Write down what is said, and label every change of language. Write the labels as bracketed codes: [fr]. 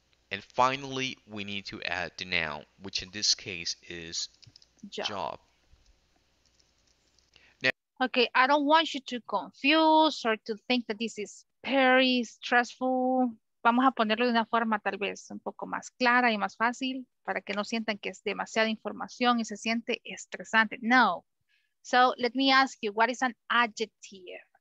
[en] And finally, we need to add the noun, which in this case is job. Now, okay, I don't want you to confuse or to think that this is very stressful. [es] Vamos a ponerlo de una forma tal vez un poco más clara y más fácil para que no sientan que es demasiada información y se siente estresante. No. [en] So, let me ask you, what is an adjective?